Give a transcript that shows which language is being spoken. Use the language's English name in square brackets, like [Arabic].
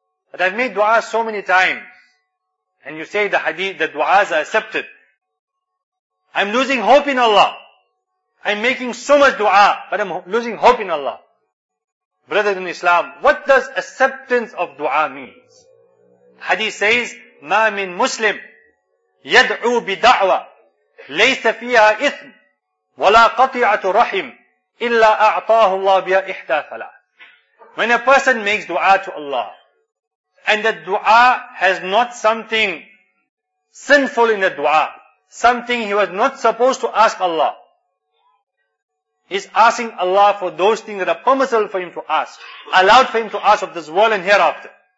[English] But I've made dua so many times. And you say the hadith, the du'as are accepted. I'm losing hope in Allah. I'm making so much dua, but I'm losing hope in Allah. Brothers in Islam, what does acceptance of dua mean? Hadith says, [Arabic] مَا مِن مُسْلِمْ يَدْعُو بِدَعْوَى لَيْسَ فِيهَا إِثْمٌ وَلَا قَطِعَةُ رَحِمْ إِلَّا أَعْطَاهُ اللَّهُ بِيَا إِحْدَى ثَلَاثٍ. [English] When a person makes dua to Allah, and the dua has not something sinful in the dua, something he was not supposed to ask Allah, he's asking Allah for those things that are permissible for him to ask, allowed for him to ask of this world and hereafter.